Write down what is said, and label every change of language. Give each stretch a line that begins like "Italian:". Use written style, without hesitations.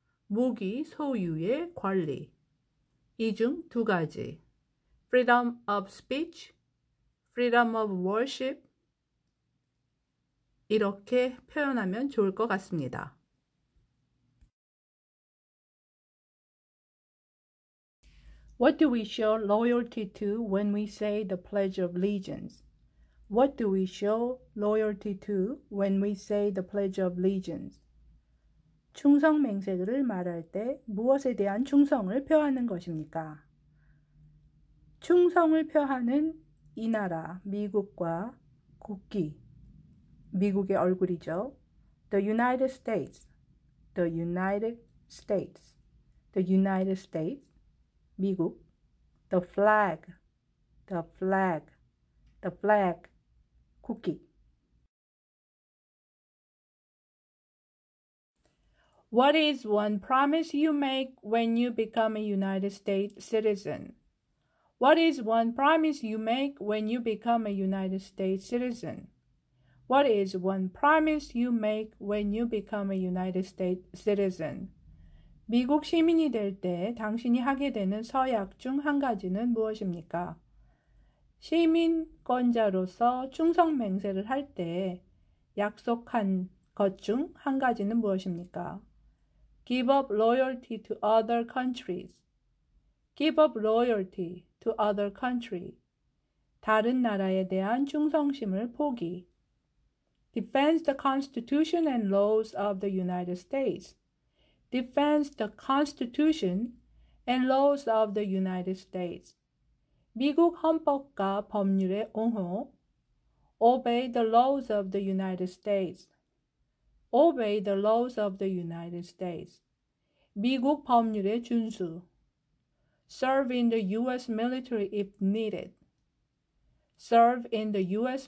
Korean: 무기 소유의 권리. 이 중 두 가지.
English: Freedom of speech. Freedom of worship.
Korean: 이렇게 표현하면 좋을 것 같습니다.
English: What do we show loyalty to when we say the Pledge of Allegiance? What do we show loyalty to when we say the Pledge of Allegiance?
Korean: 충성 맹세를 말할 때 무엇에 대한 충성을 표하는 것입니까? 충성을 표하는 이 나라, 미국과 국기, 미국의 얼굴이죠.
English: The United States, the United States, the United States, 미국. The flag, the flag, the flag, 국기. What is one promise you make when you become a United States citizen? What is one promise you make when you become a United States citizen? What is one promise you make when you become a United States citizen?
Korean: 미국 시민이 될 때 당신이 하게 되는 서약 중 한 가지는 무엇입니까? 시민권자로서 충성 맹세를 할 때 약속한 것 중 한 가지는 무엇입니까?
English: Give up loyalty to other countries. Give up loyalty to other country.
Korean: 다른 나라에 대한 충성심을 포기.
English: Defend the Constitution and laws of the United States. Defend the Constitution and laws of the United States.
Korean: 미국 헌법과 법률에 옹호.
English: Obey the laws of the United States. Obey the laws of the United States.
Korean: 미국 법률에 준수.
English: Serve in the U.S. military if needed. Serve in the U.S.